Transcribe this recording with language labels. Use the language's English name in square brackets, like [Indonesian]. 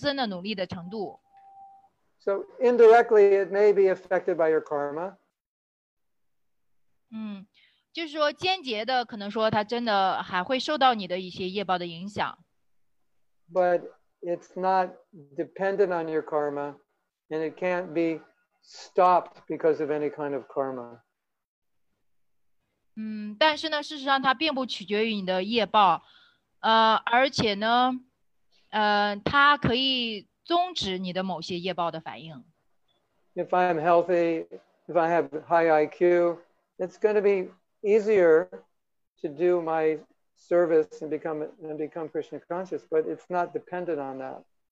[Chinese] 而你就是灵修状况呢，取决于你从那些高级奉献者那里得到多少的仁慈，包括你自身的努力的程度。So [English] indirectly, it may be affected by your karma. [Chinese] 就是说间接的，可能说他真的还会受到你的一些业报的影响。But [English] it's not dependent on your karma, and it can't be stopped because of any kind of karma. [Chinese] 但是呢，事实上它并不取决于你的业报，而且呢，它可以终止你的某些业报的反应。If [English] I am healthy, if I have high IQ, it's going to be easier to do my service and become Krishna conscious, but it's not dependent on that.